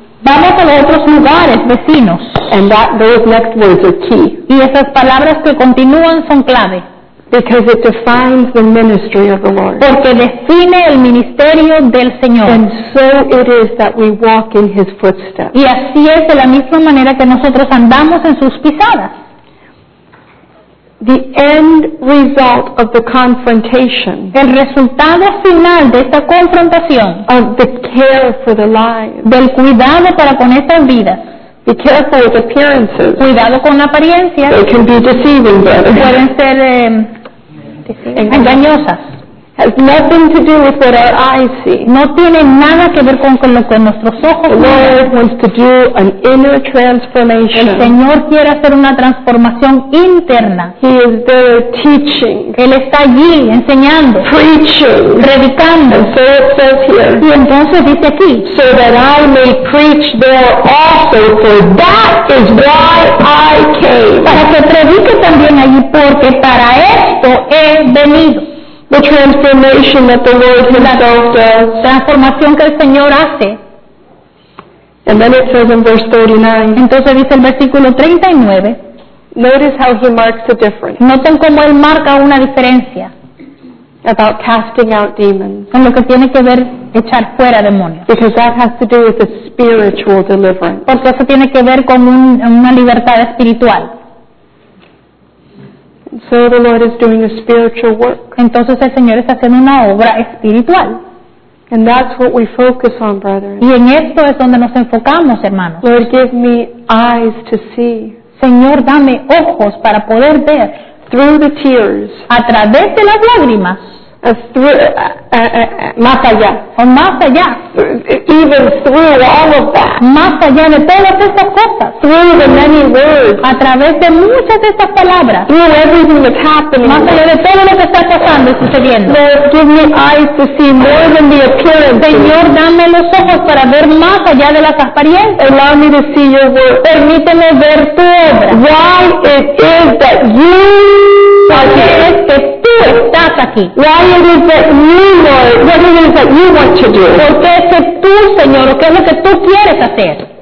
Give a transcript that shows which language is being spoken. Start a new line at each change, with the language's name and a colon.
Spanish: Vamos a los otros lugares vecinos.
English: And those next words are key.
Spanish: Y esas palabras que continúan son clave.
English: Because it defines the ministry of the Lord.
Spanish: Porque define el ministerio del Señor.
English: And so it is that we walk in His footsteps.
Spanish: Y así es de la misma manera que nosotros andamos en sus pisadas.
English: The end result of the confrontation.
Spanish: El resultado final de esta confrontación.
English: Of the care for the lives.
Spanish: Del cuidado para con estas vidas.
English: Be careful with appearances.
Spanish: Cuidado con apariencias.
English: They can be deceiving, brother.
Spanish: Pueden ser engañosas.
English: Has nothing to do with what our eyes see.
Spanish: No tiene nada que ver con lo que nuestros ojos ven.
English: The Lord wants to do an inner transformation.
Spanish: El Señor quiere hacer una transformación interna.
English: He is there teaching.
Spanish: Él está allí enseñando.
English: Preaching.
Spanish: Predicando.
English: And so it says here.
Spanish: Y entonces dice aquí.
English: So that I may preach there also, for that is why I came.
Spanish: Para que predique también allí, porque para esto he venido.
English: The transformation that the Lord Himself does.
Spanish: Transformación que el Señor hace.
English: And then it says in verse 39.
Spanish: Entonces dice el versículo 39.
English: Notice how He marks a difference.
Spanish: Noten cómo Él marca una diferencia.
English: About casting out demons.
Spanish: Con lo que tiene que ver echar fuera demonios.
English: Because that has to do with the spiritual deliverance.
Spanish: Porque eso tiene que ver con una libertad espiritual.
English: So the Lord is doing a spiritual work.
Spanish: Entonces el Señor está haciendo una obra espiritual.
English: And that's what we focus on, brothers.
Spanish: Y en esto es donde nos enfocamos, hermanos.
English: Lord, give me eyes to see.
Spanish: Señor, dame ojos para poder ver.
English: Through the tears.
Spanish: A través de las lágrimas. Más allá. O más allá.
English: Even through all of that.
Spanish: Más allá de todas estas cosas.
English: Through the many words.
Spanish: A través de muchas de estas palabras.
English: Through everything that's happening.
Spanish: Más allá de todo lo que está pasando y sucediendo.
English: Lord, give me eyes to see more than the appearance.
Spanish: Señor, dame los ojos para ver más allá de las apariencias.
English: Allow me to see your word.
Spanish: Permíteme ver tu obra.
English: Why it is that you are here. Why it is that you, Lord, what it is that you want to do?
Spanish: Porque es que tú, Señor, ¿qué es lo que tú quieres hacer?